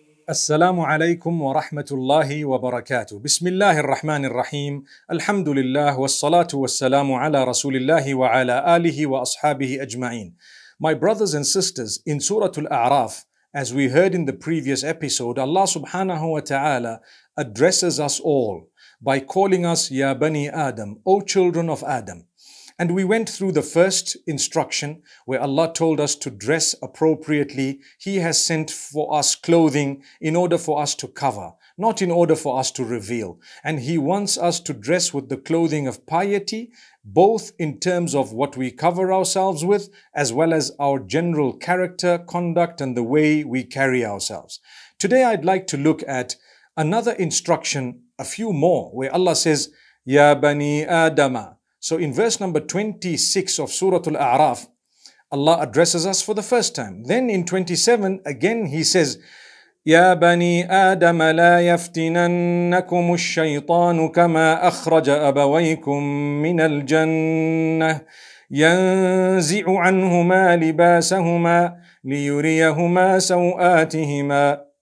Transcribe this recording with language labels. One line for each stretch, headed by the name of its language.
Arabic: السلام عليكم ورحمة الله وبركاته. بسم الله الرحمن الرحيم. الحمد لله والصلاة والسلام على رسول الله وعلى آله وأصحابه أجمعين.
English: My brothers and sisters, in Surah Al-A'raf, as we heard in the previous episode, Allah subhanahu wa ta'ala addresses us all by calling us Ya Bani Adam, O children of Adam. And we went through the first instruction where Allah told us to dress appropriately. He has sent for us clothing in order for us to cover, not in order for us to reveal. And He wants us to dress with the clothing of piety, both in terms of what we cover ourselves with, as well as our general character, conduct, and the way we carry ourselves. Today, I'd like to look at another instruction, a few more, where Allah says, Ya Bani Adama. So in verse number 26 of Surah Al-A'raf, Allah addresses us for the first time. Then in 27, again, He says,
Arabic: يا بني آدم لا يفتننكم الشيطان كما أخرج أبويكم من الجنة ينزع عنهما لباسهما ليريهما سوآتهما.